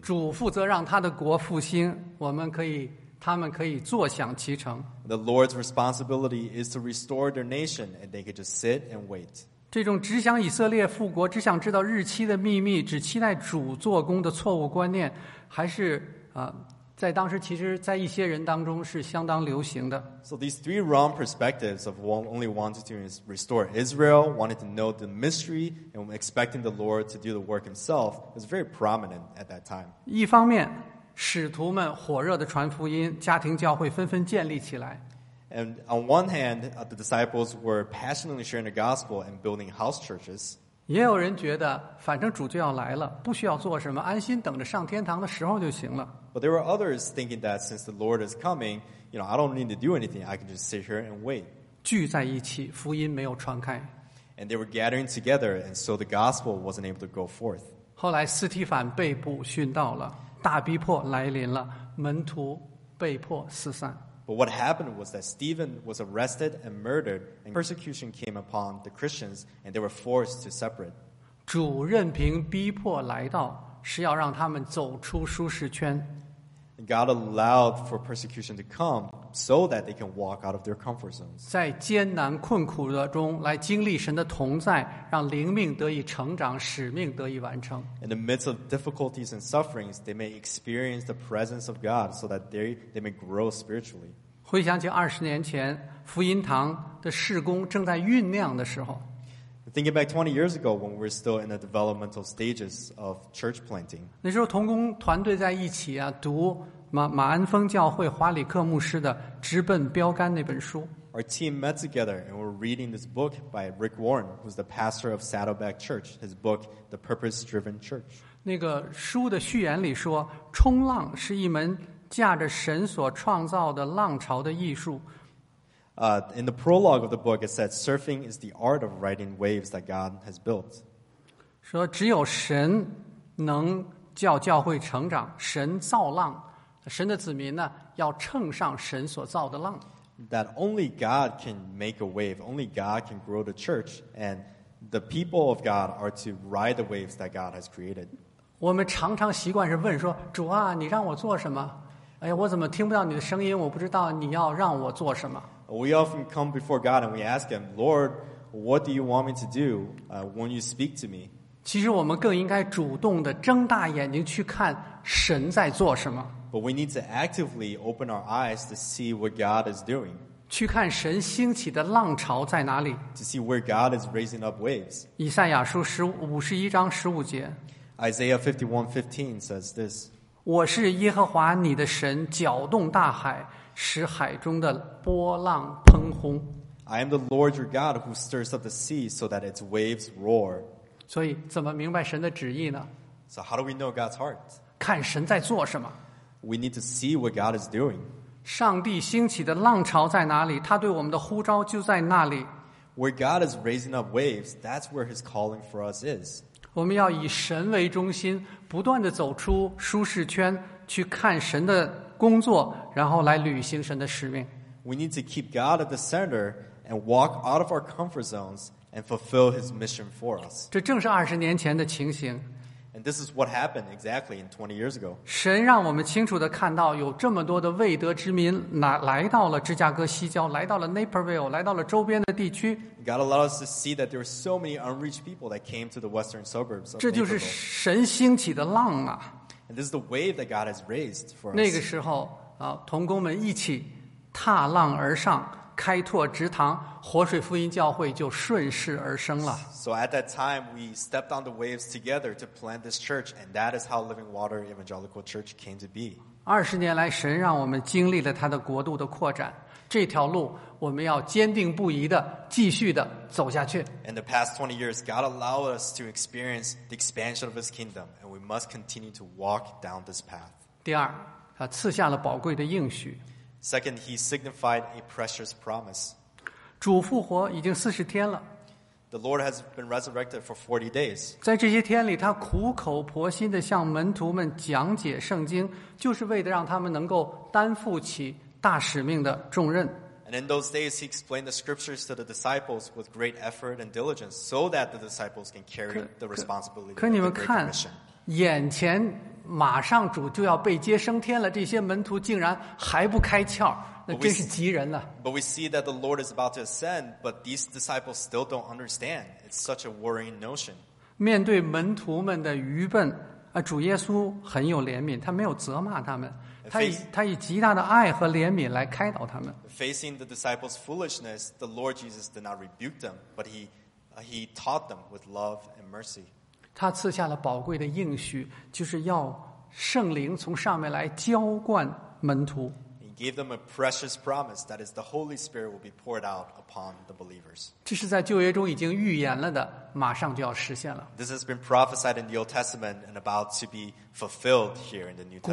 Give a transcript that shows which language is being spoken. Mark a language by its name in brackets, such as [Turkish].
[Chinese] 主负责让他的国复兴，他们可以坐享其成。 [English] The Lord's responsibility is to restore their nation, and they could just sit and wait. [Chinese] 这种只想以色列复国，只想知道日期的秘密，只期待主做工的错误观念，还是在当时其实在一些人当中是相当流行的。 [English] So these three wrong perspectives of only wanting to restore Israel, wanting to know the mystery, and expecting the Lord to do the work himself was very prominent at that time. [Chinese] 一方面，使徒们火热地传福音，家庭教会纷纷建立起来。 [English] And on one hand, the disciples were passionately sharing the gospel and building house churches. [Chinese] 也有人觉得反正主就要来了，不需要做什么，安心等着上天堂的时候就行了。 [English] But there were others thinking that since the Lord is coming, you know, I don't need to do anything. I can just sit here and wait. [Chinese] 聚在一起，福音没有传开。 [English] And they were gathering together, and so the gospel wasn't able to go forth. [Chinese] 后来斯提凡被捕殉道了，大逼迫来临了，门徒被迫四散。 [English] But what happened was that Stephen was arrested and murdered, and persecution came upon the Christians, and they were forced to separate. [Chinese] 主任凭逼迫来到，是要让他们走出舒适圈。 [English] God allowed for persecution to come so that they can walk out of their comfort zones. [Chinese] 在艰难困苦的中来经历神的同在，让灵命得以成长，使命得以完成。 [English] In the midst of difficulties and sufferings, they may experience the presence of God so that they may grow spiritually. [Chinese] 回想起20年前福音堂的事工正在酝酿的时候。 [English] Thinking back 20 years ago when we're still in the developmental stages of church planting. [Chinese] 那时候同工团队在一起啊，读马鞍峰教会华里克牧师的《直奔标杆》那本书。 [English] Our team met together and we're reading this book by Rick Warren, who's the pastor of Saddleback Church, his book, The Purpose-Driven Church. [Chinese] 那个书的序言里说，冲浪是一门驾着神所创造的浪潮的艺术。 [English] In the prologue of the book, it said, surfing is the art of riding waves that God has built. [Chinese] 说只有神能叫教会成长，神造浪，神的子民呢，要乘上神所造的浪。 [English] That only God can make a wave, only God can grow the church, and the people of God are to ride the waves that God has created. [Chinese] 我们常常习惯是问说，主啊，你让我做什么？哎呀，我怎么听不到你的声音？我不知道你要让我做什么。 [English] We often come before God and we ask Him, Lord, what do you want me to do when you speak to me? [Chinese] 其实我们更应该主动地睁大眼睛去看神在做什么。 [English] But we need to actively open our eyes to see what God is doing. [Chinese] 去看神兴起的浪潮在哪里。 [English] To see where God is raising up waves. [Chinese] 以赛亚书51:15 [English] Isaiah 51:15 says this. [Chinese] 我是耶和华你的神，搅动大海，使海中的波浪喷轰。 [English] I am the Lord your God who stirs up the sea so that its waves roar. [Chinese] 所以怎么明白神的旨意呢？ [English] So how do we know God's heart? [Chinese] 看神在做什么。 [English] We need to see what God is doing. [Chinese] 上帝兴起的浪潮在哪里？他对我们的呼召就在那里。 [English] Where God is raising up waves, that's where his calling for us is. [Chinese] 我们要以神为中心，不断地走出舒适圈，去看神的工作，然后来履行神的使命。 [English] We need to keep God at the center and walk out of our comfort zones and fulfill His mission for us. [Chinese] 这正是20年前的情形。 [English] And this is what happened exactly in 20 years ago. [Chinese] 神让我们清楚地看到，有这么多的未得之民来到了芝加哥西郊，来到了 Naperville, 来到了周边的地区。 [English] God allowed us to see that there were so many unreached people that came to the western suburbs. [Chinese] 这就是神兴起的浪啊！ [English] And this is the wave that God has raised for us. [Chinese] 那个时候，同工们一起踏浪而上，开拓职堂，活水福音教会就顺势而生了。 [English] So at that time, we stepped on the waves together to plant this church, and that is how Living Water Evangelical Church came to be. [Chinese] 20年来，神让我们经历了他的国度的扩展，这条路我们要坚定不移地继续地走下去。 [English] In the past 20 years, God allowed us to experience the expansion of His kingdom, and we must continue to walk down this path. [Chinese] 第二，他赐下了宝贵的应许。 [English] Second, He signified a precious promise. [Chinese] 主复活已经40天了。 [English] The Lord has been resurrected for 40 days. [Chinese] 在这些天里，他苦口婆心地向门徒们讲解圣经，就是为了让他们能够担负起大使命的重任。 [English] And in those days, he explained the scriptures to the disciples with great effort and diligence so that the disciples can carry the responsibility. [Chinese] 可你们看，眼前马上主就要被接升天了，这些门徒竟然还不开窍，那真是急人了。 [English] But we see that the Lord is about to ascend, but these disciples still don't understand. It's such a worrying notion. [Chinese] 面对门徒们的愚笨，主耶稣很有怜悯，他没有责骂他们。他以极大的爱和怜悯来开导他们。 [English] Facing the disciples' foolishness, the Lord Jesus did not rebuke them, but he taught them with love and mercy. [Chinese] 他赐下了宝贵的应许，就是要圣灵从上面来浇灌门徒。 [English] He gave them a precious promise, that is, the Holy Spirit will be poured out upon the believers. [Chinese] 这是在旧约中已经预言了的，马上就要实现了。 [English] This has been prophesied in the Old Testament and about to be fulfilled here in the New Testament.